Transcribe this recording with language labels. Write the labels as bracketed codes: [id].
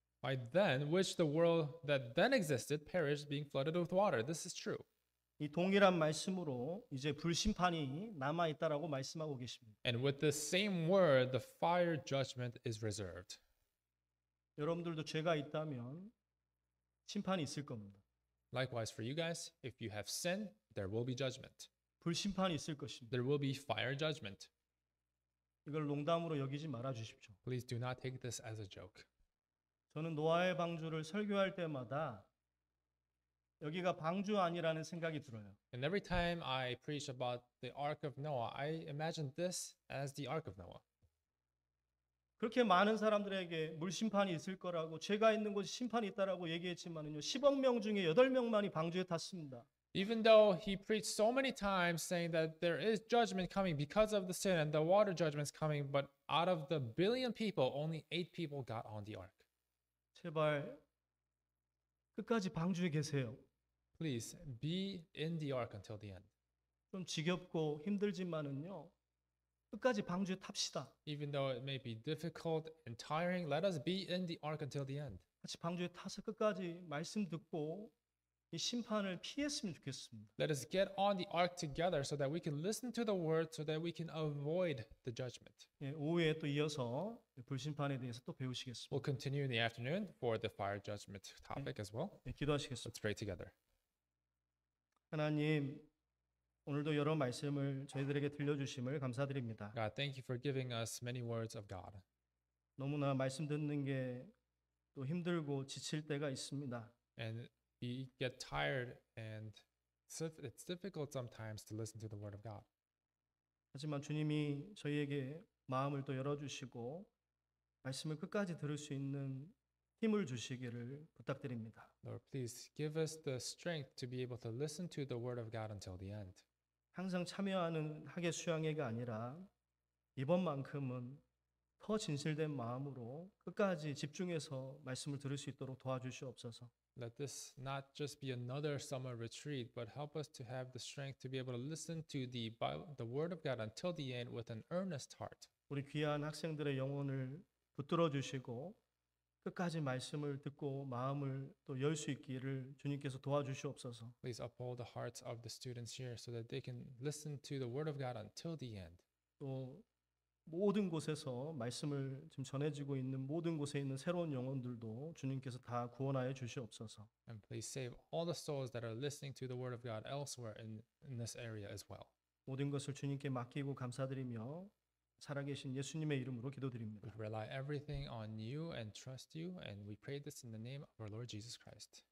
[en] By then, which the world that then existed perished, being flooded with water. This is true. [ko] 이 동일한 말씀으로 이제 불심판이 남아 있다라고 말씀하고 계십니다. [en] And with the same word, the fire judgment is reserved. [ko] 여러분들도 죄가 있다면 심판이 있을 겁니다. [en] Likewise for you guys, if you have sin, there will be judgment. [ko] 불심판이 있을 것입니다. [en] There will be fire judgment. [ko] 이걸 농담으로 여기지 말아 주십시오. [en] Please do not take this as a joke. [ko] 저는 노아의 방주를 설교할 때마다 여기가 방주 아니라는 생각이 들어요. [en] And every time I preach about the Ark of Noah, I imagine this as the Ark of Noah. [ko] 그렇게 많은 사람들에게 물 심판이 있을 거라고 죄가 있는 곳에 심판이 있다라고 얘기했지만은요. 10억 명 중에 8명만이 방주에 탔습니다. [en] Even though he preached so many times saying that there is judgment coming because of the sin and the water judgment is coming, but out of the billion people, only 8 people got on the ark. [ko] 제발 끝까지 방주에 계세요. [en] Please be in the ark until the end. [ko] 좀 지겹고 힘들지만은요. 끝까지 방주에 탑시다. [en] Even though it may be difficult and tiring, let us be in the ark until the end. [ko] 같이 방주에 타서 끝까지 말씀 듣고 이 심판을 피했으면 좋겠습니다. [en] Let us get on the ark together so that we can listen to the word so that we can avoid the judgment. [ko] 예, 오후에 또 이어서 불심판에 대해서 또 배우시겠습니다. [en] We'll continue in the afternoon for the fire judgment topic [ko] 예, [en] as well. [ko] 예, 기도하시겠습니다. [en] Let's pray together. [ko] 하나님, 오늘도 여러 말씀을 저희들에게 들려주심을 감사드립니다. [en] God, thank you for giving us many words of God. [ko] 너무나 말씀 듣는 게 또 힘들고 지칠 때가 있습니다. [en] And we get tired and it's difficult sometimes to listen to the word of God. [ko] 하지만 주님이 저희에게 마음을 또 열어주시고 말씀을 끝까지 들을 수 있는 힘을 주시기를 부탁드립니다. [en] Lord, please give us the strength to be able to listen to the word of God until the end. [ko] 항상 참여하는 학예 수양회가 아니라 이번만큼은 더 진실된 마음으로 끝까지 집중해서 말씀을 들을 수 있도록 도와주시옵소서. [en] Let this not just be another summer retreat, but help us to have the strength to be able to listen to the Bible, the Word of God until the end with an earnest heart. [ko] 우리 귀한 학생들의 영혼을 붙들어 주시고 끝까지 말씀을 듣고 마음을 또 열 수 있기를 주님께서 도와주시옵소서. [en] Please uphold the hearts of the students here so that they can listen to the Word of God until the end. [ko] 또 모든 곳에서 말씀을 지금 전해지고 있는 모든 곳에 있는 새로운 영혼들도 주님께서 다 구원하여 주시옵소서. [en] And please save all the souls that are listening to the word of God elsewhere in this area as well. [ko] 모든 것을 주님께 맡기고 감사드리며 살아계신 예수님의 이름으로 기도드립니다. [en] We rely everything on you and trust you, and we pray this in the name of our Lord Jesus Christ.